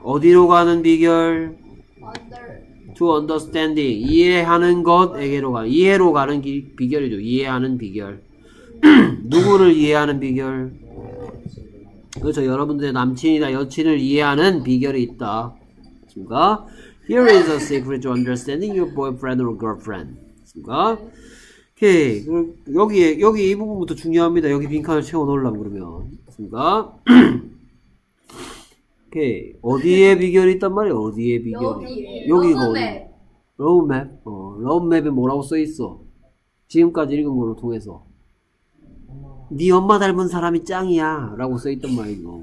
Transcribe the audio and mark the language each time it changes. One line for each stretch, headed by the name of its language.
Korean: 어디로 가는 비결?
English: To understanding.
Korean: 이해하는 것에게로 가. 이해로 가는 길 비결이죠. 이해하는 비결. 누구를 이해하는 비결? 그렇죠. 여러분들의 남친이나 여친을 이해하는 비결이 있다. 습니까?
English: Here is a secret to understanding your boyfriend or girlfriend.
Korean: 그니까? Okay. 여기 이 부분부터 중요합니다. 여기 빈칸을 채워놓으려면 그러면. 그니까?
English: Okay.
Korean: 어디에 비결이 있단 말이야? 어디에 비결이? 여기가 어디? Love map. Love map에 뭐라고 써있어? 지금까지 읽은 걸로 통해서. 네 엄마 닮은 사람이 짱이야. 라고 써있단 말이야.